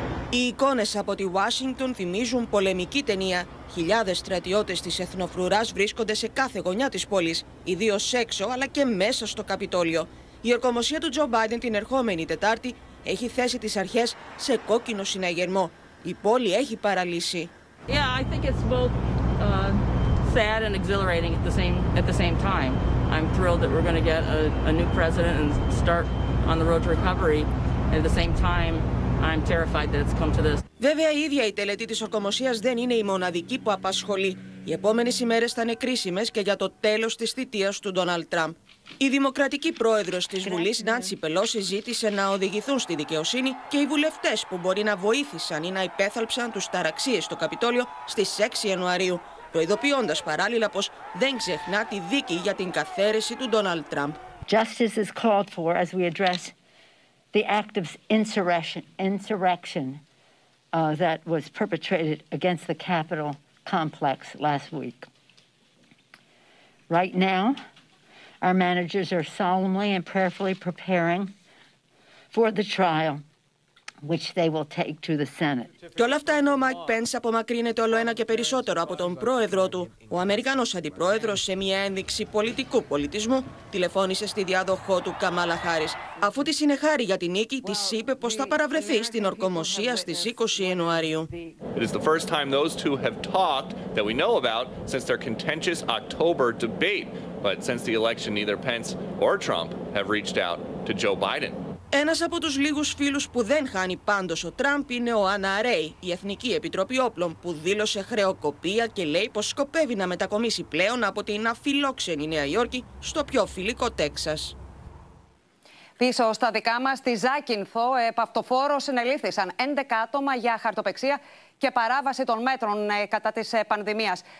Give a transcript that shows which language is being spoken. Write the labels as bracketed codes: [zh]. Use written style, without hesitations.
[el] Οι εικόνες από τη Ουάσιγκτον θυμίζουν πολεμική ταινία. Χιλιάδες στρατιώτες της Εθνοφρουράς βρίσκονται σε κάθε γωνιά της πόλης, ιδίως έξω αλλά και μέσα στο Καπιτόλιο. Η ορκομοσία του Τζο Μπάιντεν την ερχόμενη Τετάρτη έχει θέσει τις αρχές σε κόκκινο συναγερμό. Η πόλη έχει παραλύσει. [en] Yeah, I think it's both sad and exhilarating at the same time. I'm thrilled that we're going to get a new president and start on the road to recovery at the same time. I'm terrified that it's come to this. [el] Βέβαια, η ίδια η τελετή της ορκομοσίας δεν είναι η μοναδική που απασχολεί. Οι επόμενες ημέρες θα είναι κρίσιμες και για το τέλος της θητείας του Ντόναλντ Τραμπ. Η δημοκρατική πρόεδρος της Βουλής, Νάντσι Πελόση, ζήτησε να οδηγηθούν στη δικαιοσύνη και οι βουλευτές που μπορεί να βοήθησαν ή να υπέθαλψαν τους ταραξίες στο Καπιτόλιο στις 6 Ιανουαρίου. Προειδοποιώντας παράλληλα πως δεν ξεχνά τη δίκη για την καθαίρεση του Ντόναλντ Τραμπ. [en] Justice is called for as we address the act of insurrection that was perpetrated against the Capitol complex last week. Right now, our managers are solemnly and prayerfully preparing for the trial, which they will take to the Senate. [el] Και όλα αυτά ενώ ο Μάικ Πένς απομακρύνεται όλο ένα και περισσότερο από τον πρόεδρο του. Ο Αμερικανός αντιπρόεδρος, σε μια ένδειξη πολιτικού πολιτισμού, τηλεφώνησε στη διάδοχό του Καμάλα Χάρις. Αφού τη συνεχάρη για την νίκη, τη είπε πως θα παραβρεθεί στην ορκομοσία στις 20 Ιανουαρίου. [en] It is the first time those two have talked that we know about since their contentious October debate. But since the election, neither Pence or Trump have reached out to Joe Biden. [el] Ένας από τους λίγους φίλους που δεν χάνει πάντως ο Τραμπ είναι ο NRA, η Εθνική Επιτροπή Όπλων, που δήλωσε χρεοκοπία και λέει πως σκοπεύει να μετακομίσει πλέον από την αφιλόξενη Νέα Υόρκη στο πιο φιλικό Τέξας. Πίσω στα δικά μας, στη Ζάκυνθο, επαυτοφόρο συνελήφθησαν 11 άτομα για χαρτοπεξία και παράβαση των μέτρων κατά της πανδημίας.